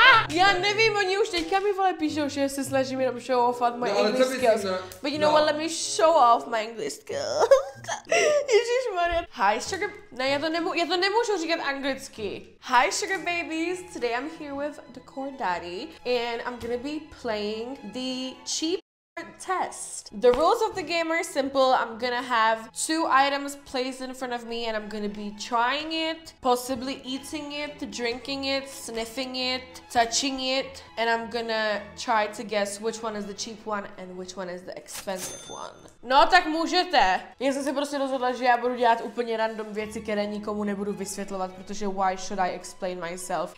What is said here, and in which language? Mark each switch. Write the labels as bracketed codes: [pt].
[cs] Já nevím, oni už teďka mi vole píšou, že se snažím jenom [en] show off my English skills. But you know what, let me show off my English skills. [cs] Ježišmarja. [en] Hi sugar... [cs] Ne, já to nemůžu říkat anglicky. [en] Hi sugar babies, today I'm here with the court daddy. And I'm gonna be playing the cheap test. The rules of the game are simple. I'm gonna have two items placed in front of me and I'm gonna be trying it, possibly eating it, drinking it, sniffing it, touching it, and I'm gonna try to guess which one is the cheap one and which one is the expensive one. [cs] No, tak můžete. Já jsem se prostě rozhodla, že já budu dělat úplně random věci, které nikomu nebudu vysvětlovat, protože [en] why should I explain myself?